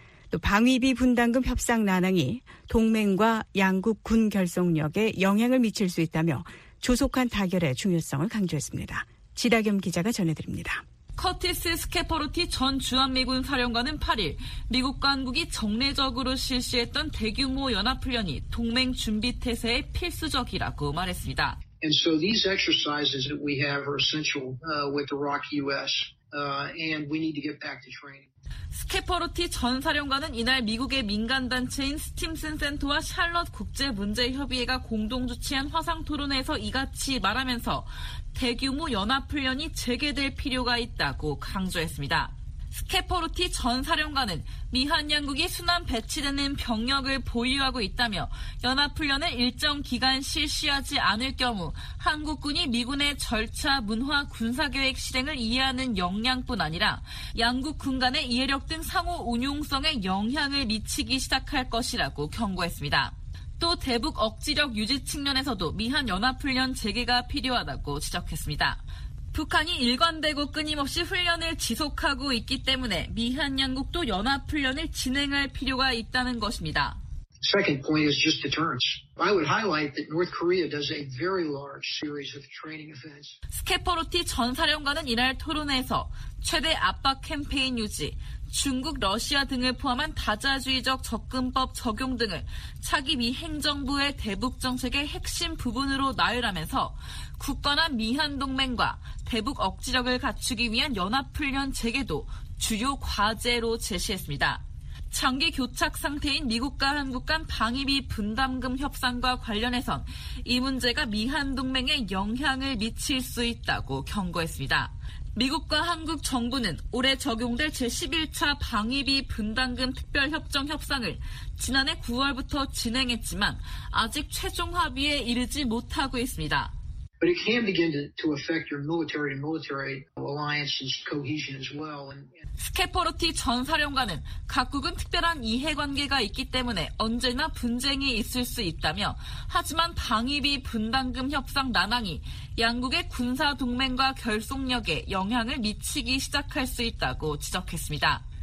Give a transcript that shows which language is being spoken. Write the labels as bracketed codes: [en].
[ko] 또 방위비 분담금 협상 난항이 동맹과 양국 군 결속력에 영향을 미칠 수 있다며 조속한 타결의 중요성을 강조했습니다. 지다겸 기자가 전해드립니다. 커티스 스케퍼로티 전 주한미군 사령관은 8일 미국과 한국이 정례적으로 실시했던 대규모 연합훈련이 동맹 준비 태세에 필수적이라고 말했습니다. [en] And so these exercises that we have are essential with Iraq US and we need to get back to training. [ko] 스케퍼로티 전 사령관은 이날 미국의 민간단체인 스팀슨 센터와 샬럿 국제문제협의회가 공동 주최한 화상토론회에서 이같이 말하면서 대규모 연합훈련이 재개될 필요가 있다고 강조했습니다. 스케퍼로티 전 사령관은 미한 양국이 순환 배치되는 병력을 보유하고 있다며 연합훈련을 일정 기간 실시하지 않을 경우 한국군이 미군의 절차, 문화, 군사계획 실행을 이해하는 역량뿐 아니라 양국 군 간의 이해력 등 상호 운용성에 영향을 미치기 시작할 것이라고 경고했습니다. 또 대북 억지력 유지 측면에서도 미한 연합훈련 재개가 필요하다고 지적했습니다. 북한이 일관되고 끊임없이 훈련을 지속하고 있기 때문에 미한 양국도 연합훈련을 진행할 필요가 있다는 것입니다. [en] Second point is just deterrence. I would highlight that North Korea does a very large series of training events. [ko] 스케퍼로티 전 사령관은 이날 토론회에서 최대 압박 캠페인 유지, 중국, 러시아 등을 포함한 다자주의적 접근법 적용 등을 차기 미 행정부의 대북 정책의 핵심 부분으로 나열하면서 굳건한 미한 동맹과 대북 억지력을 갖추기 위한 연합훈련 재개도 주요 과제로 제시했습니다. 장기 교착 상태인 미국과 한국 간 방위비 분담금 협상과 관련해선 이 문제가 미한 동맹에 영향을 미칠 수 있다고 경고했습니다. 미국과 한국 정부는 올해 적용될 제11차 방위비 분담금 특별협정 협상을 지난해 9월부터 진행했지만 아직 최종 합의에 이르지 못하고 있습니다. [en] But it can begin to affect your military-to-military alliance and cohesion as well. [ko] 스케퍼로티 전 사령관은 각국은 특별한 이해관계가 있기 때문에 언제나 분쟁이 있을 수 있다며 하지만 방위비 분담금 협상 난항이 양국의 군사 동맹과 결속력에 영향을 미치기 시작할 수 있다고 지적했습니다.